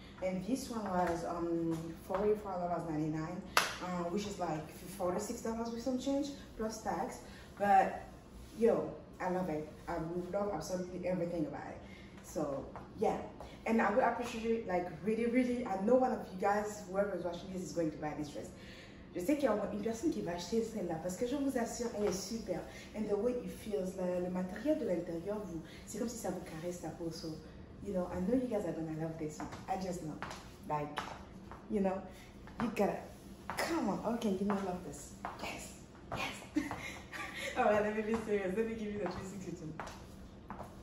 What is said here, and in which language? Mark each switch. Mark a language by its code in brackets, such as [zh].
[en] And this one was $44.99, which is like $46 with some change, plus tax. But yo, I love it. I love absolutely everything about it. So yeah, and I would appreciate it, like really, really. I know one of you guys, whoever is watching this, is going to buy this dress. [fr] Je sais qu'il y a une personne qui va acheter celle-là parce que je vous assure, elle est super. [en] And the way it feels, [fr] le matériel de l'intérieur, vous, c'est comme si ça vous caresse la peau. [en] So, you know, I know you guys are gonna love this one. I just know, like, you know, you gotta come on. Okay, you gonna love this. Yes, yes. All right, let me be serious. Let me give you the 362.